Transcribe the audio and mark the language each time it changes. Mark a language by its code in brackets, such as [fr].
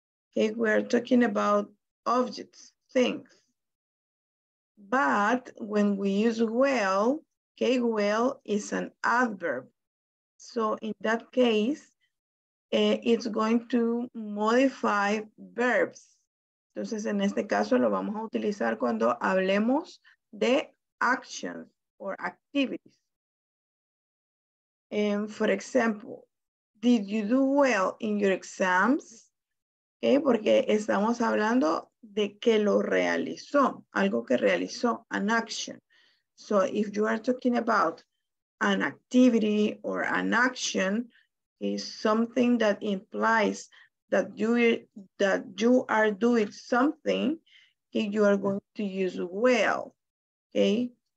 [en] Okay, we're talking about objects, things. But when we use well, okay, well is an adverb. So in that case, it's going to modify verbs. [es] Entonces, en este caso, lo vamos a utilizar cuando hablemos de [en] actions or activities. And for example, did you do well in your exams? [es] Okay, porque estamos hablando de que lo realizó, algo que realizó, [en] an action. So if you are talking about an activity or an action is something that implies that you are doing something que you are going to use well, okay?